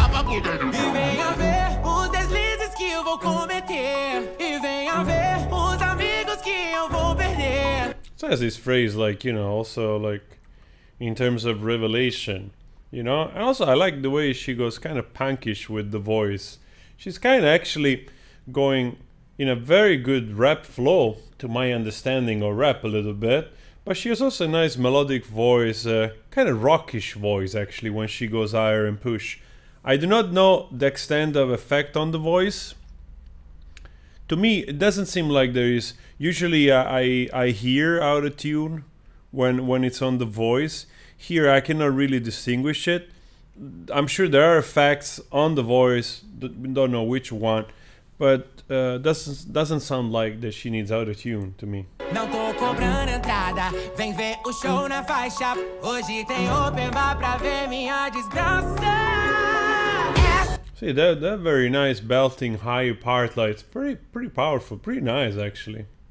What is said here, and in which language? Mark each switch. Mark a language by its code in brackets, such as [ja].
[pt] E venha ver os deslizes que eu vou cometer. E venha ver os amigos que eu vou perder. [en] So has this phrase, like, you know, also like, in terms of revelation, you know? And also, I like the way she goes kind of punkish with the voice. She's kind of actually going in a very good rap flow, to my understanding, or rap a little bit. But she has also a nice melodic voice, kind of rockish voice, actually, when she goes higher and push. I do not know the extent of effect on the voice. To me, it doesn't seem like there is... Usually, I hear out of tune. When it's on the voice, here I cannot really distinguish it. I'm sure there are effects on the voice, don't know which one, but doesn't sound like that she needs auto-tune to me. [pt] Não tô cobrando entrada, vem ver o show na faixa. Hoje tem open bar pra ver minha desgraça. [en] See, that very nice belting high part, like, it's pretty powerful, pretty nice, actually.